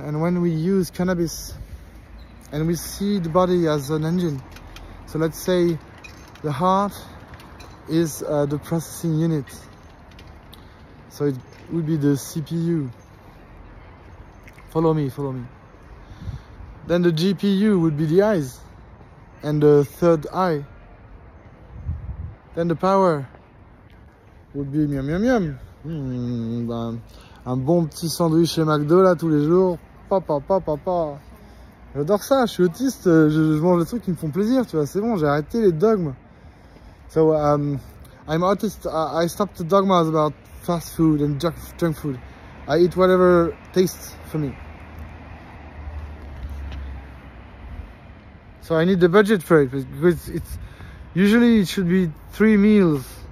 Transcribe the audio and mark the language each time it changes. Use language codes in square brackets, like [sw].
[en] And when we use cannabis and we see the body as an engine, so let's say the heart is the processing unit, so it would be the CPU. Follow me. Then the GPU would be the eyes and the third eye. Then the power would be miam miam miam. [fr] Un bon petit sandwich chez McDo là tous les jours. Papa. J'adore ça, je suis autiste, je mange des trucs qui me font plaisir, tu vois, c'est bon, j'ai arrêté les dogmes. [en] So I'm autist, I stopped the dogmas about fast food and junk food. I eat whatever tastes for me. So I need the budget for it, because it's usually it should be three meals